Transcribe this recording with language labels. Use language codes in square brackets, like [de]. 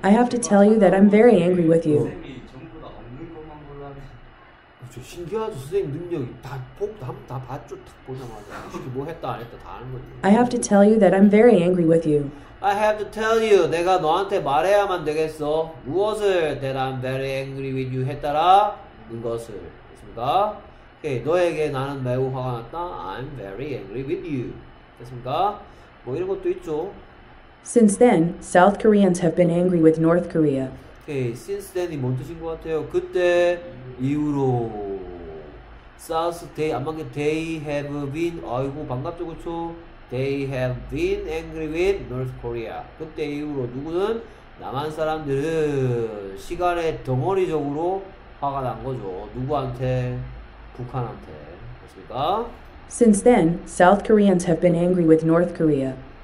[en] I have to tell you that I'm very angry with you. [ko] 선생님이 전부 다 없는 것만 골라. 신기하죠, 선생님 능력이 다폭다다 봤죠, 딱 보자마자 이렇게 뭐 했다 안 했다 다 아는 거지. [en] I have to tell you that I'm very angry with you. I have to tell you, [ko] 내가 너한테 말해야만 되겠어. 무엇을? [en] That I'm very angry with you [ko] 했더라? 는 것을. 됐습니까? Okay, 너에게 나는 매우 화가 났다. [en] I'm very angry with you. [ko] 됐습니까? 뭐 이런 것도 있죠. [en] Since then, South Koreans have been angry with North Korea. [ko] Okay, since then이 뭔 뜻인 것 같아요? 그때 이후로. South, they, 아마 [en] they have been, [ko] 아이고, 반갑죠, 그쵸? [en] They have been angry with North Korea. [ko] 그때 이후로 누구는? 남한 사람들은 시간의 덩어리적으로 화가 난 거죠. 누구한테? 북한한테. 맞습니까? [en] Since then, South Koreans have been angry with North Korea.